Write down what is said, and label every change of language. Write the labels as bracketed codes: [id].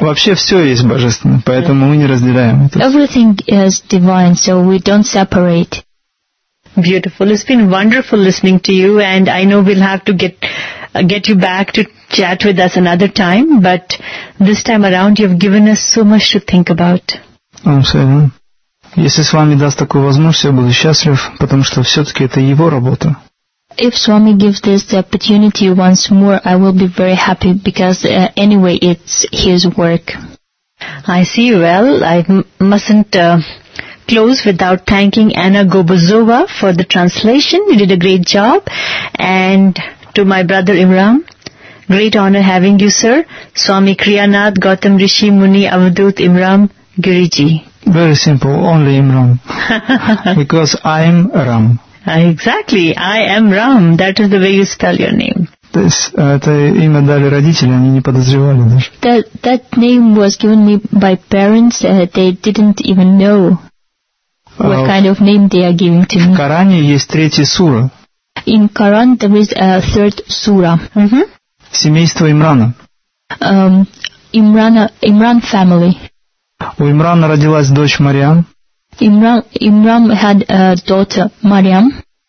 [ru] Вообще все есть божественное, поэтому мы не разделяем это. [en] Everything is divine, so we don't separate. Beautiful. It's been wonderful listening to you, and I know we'll have to get you back to chat with us another time, but this time around you've given us so much to think about. [ru] Если с вами даст такую возможность, я буду счастлив, потому что все-таки это его работа. [en] If Swami gives this opportunity once more, I will be very happy because anyway it's his work. I see. Well, I mustn't close without thanking Anna Gobozova for the translation. You did a great job. And to my brother Imran, great honor having you, sir. Swami Kriyanath Gautam Rishi Muni Avadhut Imran Giriji. Very simple, only Imran. Because I am Ram. Exactly, I am Ram. That is the way you spell your name. [ru] Это имя дали родители, они не подозревали даже. [en] That name was given me by parents. They didn't even know what kind of name they are giving to me. [ru] В Коране есть третья сура. [en] In Quran there is a third surah. Mm-hmm. [ru] Семейство Имрана. [en] Imran family. [ru] У Имрана родилась дочь Мариам. [en] Imran had a daughter Мариам.